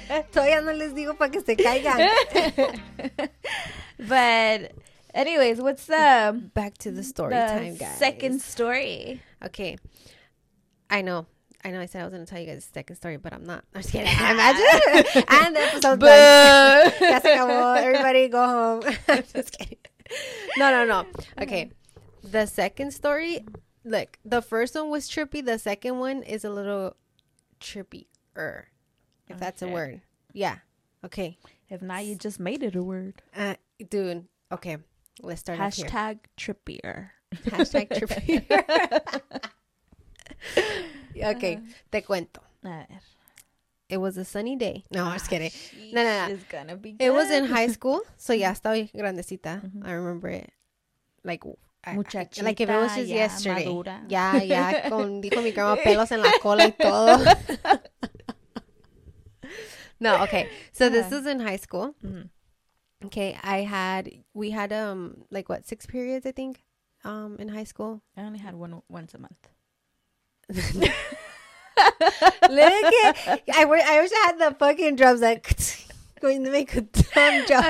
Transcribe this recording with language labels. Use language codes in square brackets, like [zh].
[es] Todavía no les digo para que se caigan. [en] But anyways, what's the... Back to the story time, guys. Second story. Okay. I know I said I was going to tell you guys a second story, but I'm not. I'm just kidding. I imagine. And the episode's done. [es] Ya se acabó. [en] Everybody go home. I'm just kidding. No. Okay. The second story, look, the first one was trippy. The second one is a little trippier, if that's a word. Yeah. Okay. If not, you just made it a word. Dude. Okay. Let's start here. Hashtag trippier. Hashtag trippier. Okay, [es] te cuento. A ver. [en] It was a sunny day. No, I'm just kidding. No. She's gonna be good. It was in high school, so [es] ya estaba grandecita. [en] Mm-hmm. I remember it. Like if it was just yesterday. [es] Madura. [en] Yeah. [es] Dijo mi grandma, pelos en la cola y todo. [en] No, okay. So this was in high school. Mm-hmm. Okay, we had 6 periods, I think, in high school. I only had one once a month. Look at, I wish I had the fucking drums that like, going to make a dumb joke.